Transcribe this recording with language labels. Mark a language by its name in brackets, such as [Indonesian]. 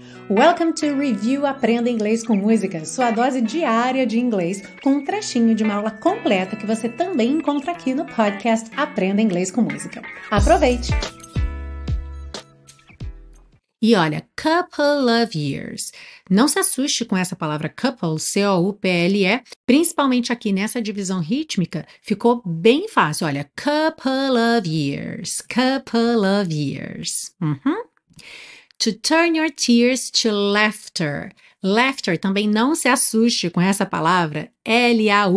[English] Welcome to [Portuguese] Review Aprenda Inglês com Música, sua dose diária de inglês, com um trechinho de uma aula completa que você também encontra aqui no podcast Aprenda Inglês com Música. Aproveite! E olha, [English] couple of years. [Portuguese] Não se assuste com essa palavra couple, C-O-U-P-L-E, principalmente aqui nessa divisão rítmica, ficou bem fácil. Olha, [English] couple of years, couple of years. Uhum. To turn your tears to laughter. [Portuguese] Laughter, também não se assuste com essa palavra, L-A-U-G-H-T-E-R.